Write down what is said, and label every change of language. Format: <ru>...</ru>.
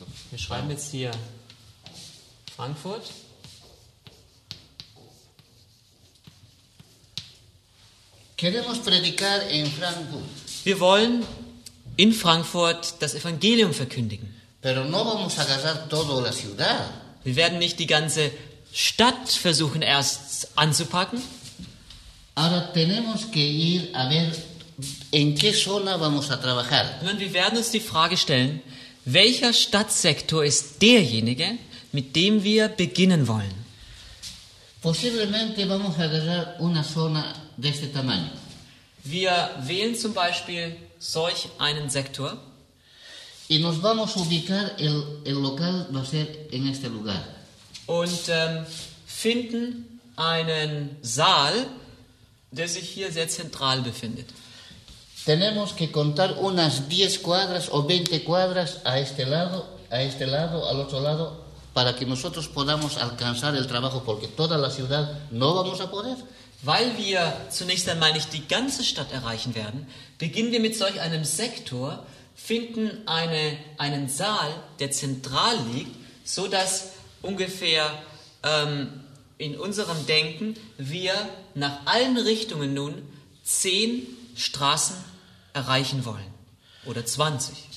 <de>Wir schreiben jetzt hier Frankfurt.</de> <es>Queremos predicar en Frankfurt.</es> <de>Wir wollen in Frankfurt das Evangelium verkündigen.</de> <es>Pero no vamos a agarrar toda la ciudad.</es> <de>Wir werden nicht die ganze Stadt versuchen erst anzupacken.</de> <es>Ahora tenemos que ir a ver. ¿En qué zona vamos a trabajar?</es> <de>Nun, wir werden uns die Frage stellen, welcher Stadtsektor ist derjenige, mit dem wir beginnen wollen?</de> <es>Posiblemente vamos a agarrar una zona de este tamaño.</es> <de>Wir wählen zum Beispiel solch einen Sektor.</de> <es>Y nos vamos a ubicar el local va a ser en este lugar.</es> <de>Und finden einen Saal, der sich hier sehr zentral befindet.</de> <es>Tenemos que contar unas 10 cuadras o 20 cuadras a este lado, al otro lado, para que nosotros podamos alcanzar el trabajo, porque toda la ciudad no vamos a poder.</es> <de>Weil wir zunächst einmal nicht die ganze Stadt erreichen werden, beginnen wir mit solch einem Sektor, finden einen Saal, der zentral liegt, so dass ungefähr in unserem Denken wir nach allen Richtungen nun 10 Straßen erreichen wollen oder 20.</de>